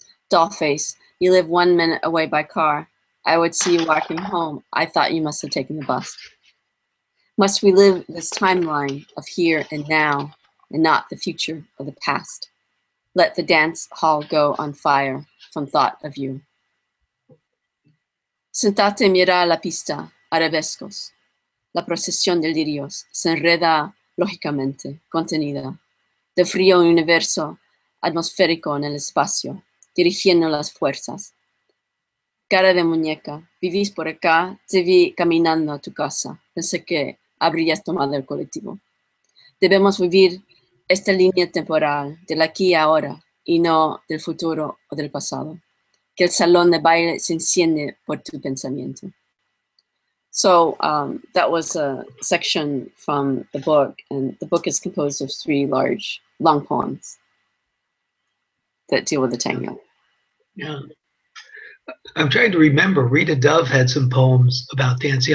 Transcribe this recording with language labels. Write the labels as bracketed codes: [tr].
[en] Dollface, you live 1 minute away by car. I would see you walking home. I thought you must have taken the bus. Must we live this timeline of here and now and not the future of the past? Let the dance hall go on fire from thought of you. [es] Sentate mira la pista, arabescos. La procesión de lirios se enreda lógicamente, contenida. De frío universo atmosférico en el espacio, dirigiendo las fuerzas. Cara de muñeca, vivís por acá, te vi caminando a tu casa. Pensé que habrías tomado el colectivo. Debemos vivir esta línea temporal del aquí y ahora y no del futuro o del pasado. Que el salón de baile se enciende por tu pensamiento. [en] So that was a section from the book, and the book is composed of three large, long poems. that deal with the tango. Yeah. I'm trying to remember. Rita Dove had some poems about dancing.